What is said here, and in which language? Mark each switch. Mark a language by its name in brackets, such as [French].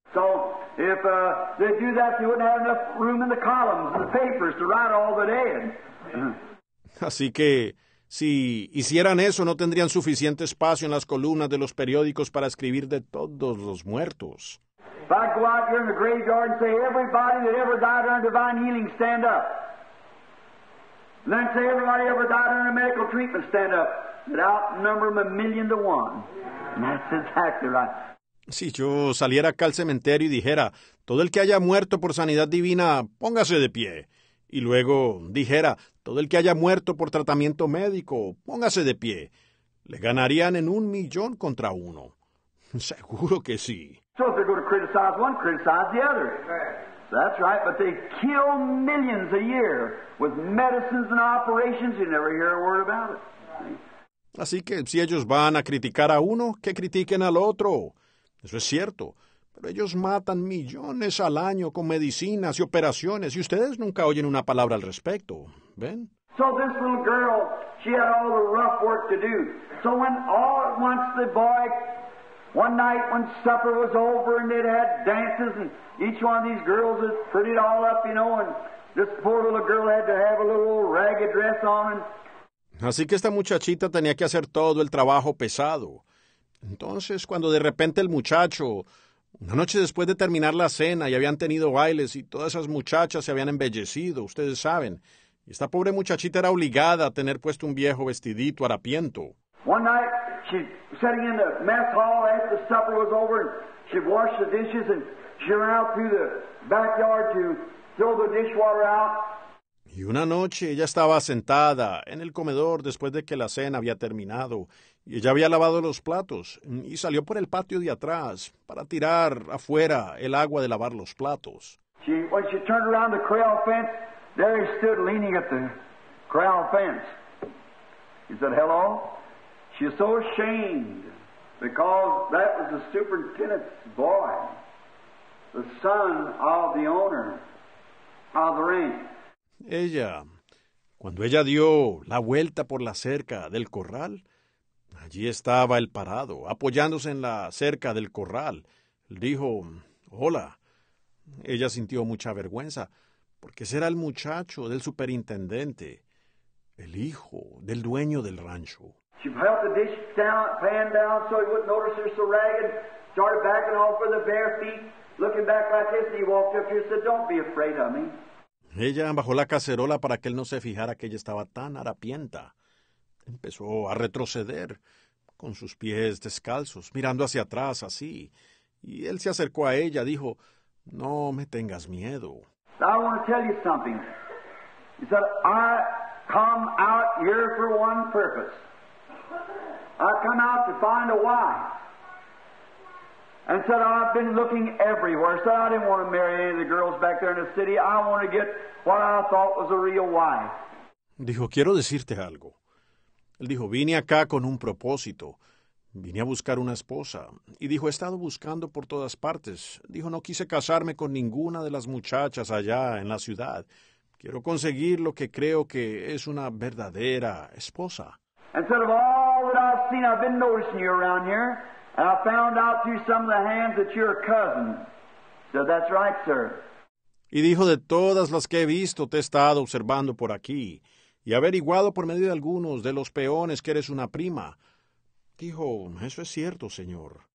[English] So if they do that, they wouldn't have enough room in the columns and the papers to write all the dead. [Spanish] Así que si hicieran eso, no tendrían suficiente espacio en las columnas de los periódicos para escribir de todos los muertos. [English] If I go out here in the graveyard and say everybody that ever died under divine healing stand up, and then say everybody ever died under medical treatment stand up, it outnumber them a million to one. And that's exactly right. [Spanish] Si yo saliera acá al cementerio y dijera, todo el que haya muerto por sanidad divina, póngase de pie. Y luego dijera, todo el que haya muerto por tratamiento médico, póngase de pie. Le ganarían en 1,000,000 contra uno. Seguro que sí. [English] So if they're going to criticize one, criticize the other. That's right, but they kill millions a year with medicines and operations. You never hear a word about it. [Spanish] Así que si ellos van a criticar a uno, que critiquen al otro. Eso es cierto, pero ellos matan millones al año con medicinas y operaciones, y ustedes nunca oyen una palabra al respecto, ¿ven? [English] So this little girl, she had all the rough work to do. So when all at once the boy One night when supper was over and they'd had dances and each one of these girls had prettied all up, you know, and this poor little girl had to have a little old ragged dress on. And... [Spanish] Así que esta muchachita tenía que hacer todo el trabajo pesado. Entonces, cuando de repente el muchacho, una noche después de terminar la cena y habían tenido bailes y todas esas muchachas se habían embellecido, ustedes saben, y esta pobre muchachita era obligada a tener puesto un viejo vestidito harapiento. [English] One night, she was sitting in the mess hall after the supper was over, and she washed the dishes, and she ran out through the backyard to throw the dishwater out. [Spanish] Y una noche, ella estaba sentada en el comedor después de que la cena había terminado, y ella había lavado los platos, y salió por el patio de atrás para tirar afuera el agua de lavar los platos. [English] When she turned around the corral fence, there he stood leaning at the corral fence. He said, hello? She was so ashamed because that was the superintendent's boy, the son of the owner of the ranch. [Spanish] Ella, cuando ella dio la vuelta por la cerca del corral, allí estaba el parado, apoyándose en la cerca del corral. Dijo, hola. Ella sintió mucha vergüenza, porque ese era el muchacho del superintendente, el hijo del dueño del rancho. [English] She held the dish down, pan down so he wouldn't notice her so ragged, started backing off with her bare feet, looking back like this, and he walked up here and said, don't be afraid of me. [Spanish] Ella bajó la cacerola para que él no se fijara que ella estaba tan harapienta. Empezó a retroceder con sus pies descalzos, mirando hacia atrás así. Y él se acercó a ella, dijo, no me tengas miedo. [English] I want to tell you something. He said, I come out here for one purpose. I come out to find a wife. And said, I've been looking everywhere. Said, I didn't want to marry any of the girls back there in the city. I want to get what I thought was a real wife. [Spanish] Dijo, quiero decirte algo. Él dijo, vine acá con un propósito. Vine a buscar una esposa. Y dijo, he estado buscando por todas partes. Dijo, no quise casarme con ninguna de las muchachas allá en la ciudad. Quiero conseguir lo que creo que es una verdadera esposa. [English] And said, of all that I've seen, I've been noticing you around here. And I found out through some of the hands that you're a cousin. So that's right, sir. [Spanish] Y dijo, de todas las que he visto, te he estado observando por aquí. Y averiguado por medio de algunos de los peones que eres una prima. Dijo, eso es cierto, señor.